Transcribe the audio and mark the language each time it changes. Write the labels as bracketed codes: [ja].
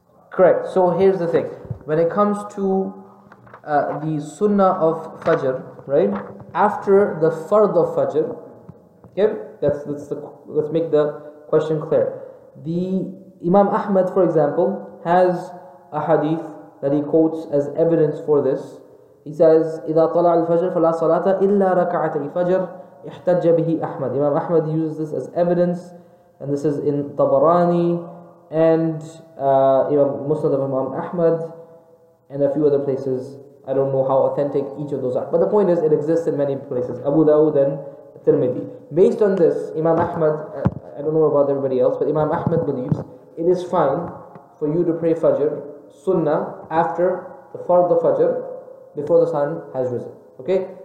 [en] Correct. So here's the thing. When it comes to the sunnah of Fajr, right? After the fard of Fajr, okay? Let's make the question clear. The Imam Ahmad, for example, has a hadith that he quotes as evidence for this. He says, [ar] إِذَا طَلَعَ الْفَجْرِ فَلَا صَلَاتَ إِلَّا رَكَعَتَ الْفَجْرِ احْتَجَّ بِهِ أَحْمَدِ. [en] Imam Ahmad uses this as evidence, and this is in Tabarani, and Imam Musnad of Imam Ahmad, and a few other places. I don't know how authentic each of those are, but the point is, it exists in many places. Abu Dawud and Tirmidhi. Based on this, Imam Ahmad, I don't know about everybody else, but Imam Ahmad believes it is fine for you to pray Fajr, Sunnah, after the Fard of Fajr, before the sun has risen. Okay?